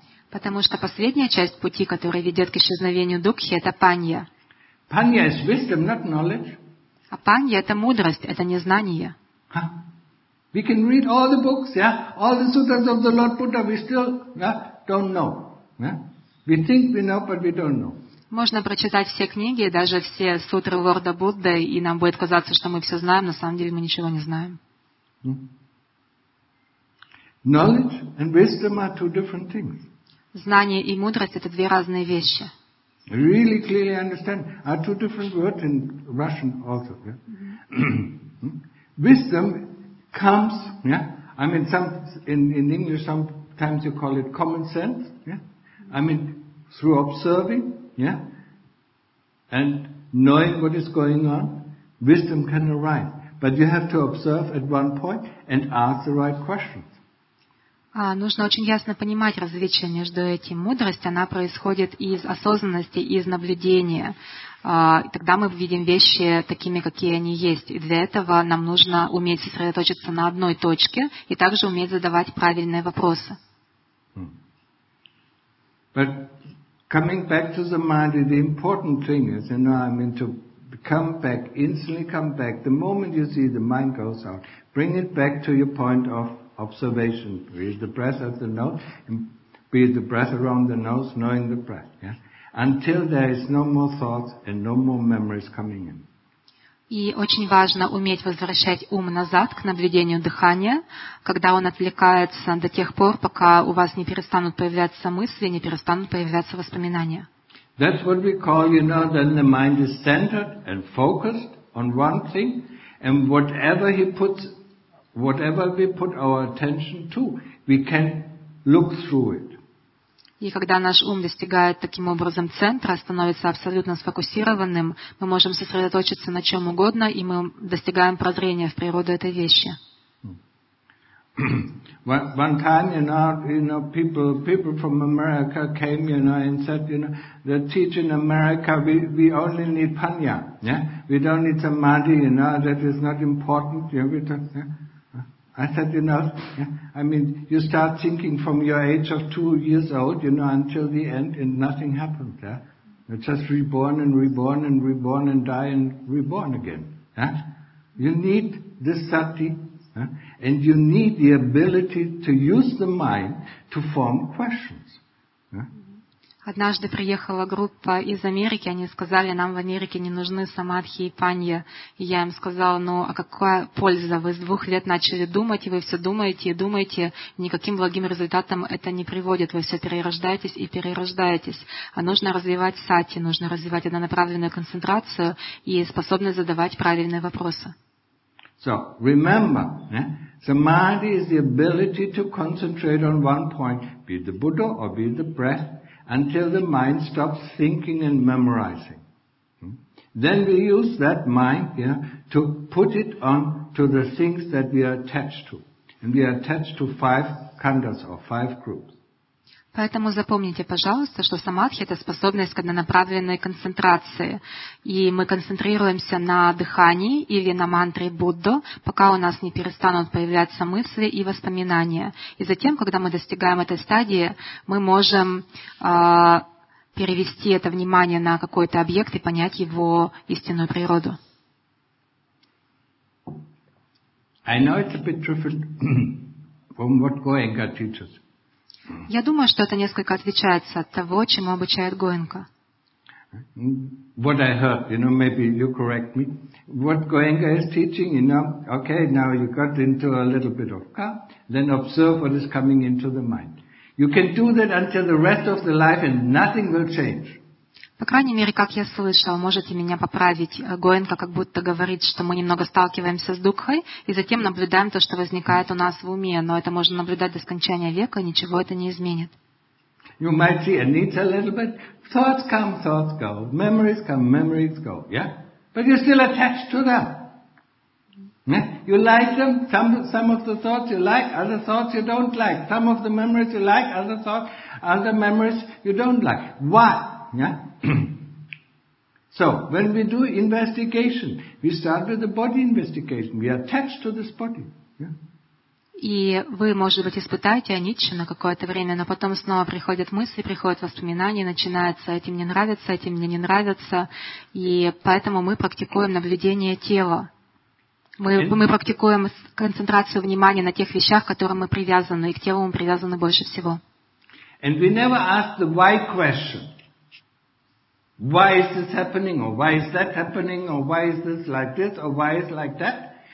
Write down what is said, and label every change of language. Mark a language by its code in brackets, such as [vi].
[ru] Потому что последняя часть пути, которая ведет к исчезновению дукхи, это панья. [en] Панья is wisdom, not knowledge. [ru] А панья – это мудрость, это не знание. [en] We can read all the books, yeah, all the sutras of the Lord Buddha, we still, yeah, don't know. Yeah? We think we know, but we don't know. [ru] Можно прочитать все книги, даже все сутры Лорда Будды, и нам будет казаться, что мы все знаем, на самом деле мы ничего не знаем. [en] Knowledge and wisdom are two different things. [ru] Знание и мудрость – это две разные вещи. [en] Really clearly understand are two different words in Russian also. Yeah? Wisdom comes, yeah. I mean, in English sometimes you call it common sense, yeah. I mean, through observing, yeah, and knowing what is going on, wisdom can arise. But you have to observe at one point and ask the right questions. [ru] Нужно очень ясно понимать различие между этим. Мудрость, она происходит из осознанности, из наблюдения. Тогда мы видим вещи такими, какие они есть. И для этого нам нужно уметь сосредоточиться на одной точке и также уметь задавать правильные вопросы. [en] But coming back to the mind, the important thing is, you know, I mean, to come back, instantly come back. The moment you see the mind goes out, bring it back to your point of observation. Be it the breath at the nose, be it the breath around the nose, knowing the breath. Yeah? Until there is no more thoughts and no more memories coming in. [ru] И очень важно уметь возвращать ум назад к наблюдению дыхания, когда он отвлекается до тех пор, пока у вас не перестанут появляться мысли, не перестанут появляться воспоминания. [en] That's what we call, you know, then the mind is centered and focused on one thing, and whatever he puts, whatever we put our attention to, we can look through it. [ru] И когда наш ум достигает таким образом центра, становится абсолютно сфокусированным, мы можем сосредоточиться на чем угодно, и мы достигаем прозрения в природу этой вещи. [en] One time, you know, people from America came, you know, and said, you know, the teacher in America, we only need panya, yeah? We don't need samadhi, you know, that is not important, yeah? I said, you know, I mean, you start thinking from your age of 2 years old, you know, until the end, and nothing happens. Yeah? You're just reborn and reborn and reborn and die and reborn again. Yeah? You need the sati, yeah? And you need the ability to use the mind to form questions. [ru] Однажды приехала группа из Америки, они сказали, нам в Америке не нужны самадхи и панья. И я им сказала, ну а какая польза? Вы с 2 лет начали думать, и вы все думаете и думаете, никаким благим результатом это не приводит. Вы все перерождаетесь и перерождаетесь. А нужно развивать сати, нужно развивать однонаправленную концентрацию и способность задавать правильные вопросы. [en] So, remember, samadhi is the ability to concentrate on one point, be it the Buddha or be it the breath, until the mind stops thinking and memorizing. Then we use that mind, yeah, to put it on to the things that we are attached to. And we are attached to 5 khandas or 5 groups. [ru] Поэтому запомните, пожалуйста, что самадхи – это способность к однонаправленной концентрации. И мы концентрируемся на дыхании или на мантре Буддо, пока у нас не перестанут появляться мысли и воспоминания. И затем, когда мы достигаем этой стадии, мы можем перевести это внимание на какой-то объект и понять его истинную природу. [en] I know it's a bit different from what Goenka teaches. [ru] Я думаю, что это несколько отличается от того, чему обучает Гоенка. [en] What I heard, you know, maybe you correct me. What Gōenka is teaching, you know, okay, now you got into a little bit of ka, then observe what is coming into the mind. You can do that until the rest of the life and nothing will change. [ru] По крайней мере, как я слышал, можете меня поправить, Гоенка как будто говорит, что мы немного сталкиваемся с Дукхой и затем наблюдаем то, что возникает у нас в уме, но это можно наблюдать до скончания века, ничего это не изменит. [en] You might see it needs a little bit. Thoughts come, thoughts go. Memories come, memories go. Yeah? But you're still attached to them. Yeah? You like them, some of the thoughts you like, other thoughts you don't like. Some of the memories you like, other thoughts, other memories you don't like. Why? Yeah? So, when we do investigation, we start with the body investigation. We attach to this body. [ru] И вы, может быть, испытаете аничча на какое-то время, но потом снова приходят мысли, приходят воспоминания, начинается этим не нравится, этим мне не нравится. И поэтому мы практикуем наблюдение тела. Мы практикуем концентрацию внимания на тех вещах, к которым мы привязаны, и к телу мы привязаны больше всего. [en] And we never ask the why question. Why is this happening, or why is that happening, or why is this like this, or why is like that?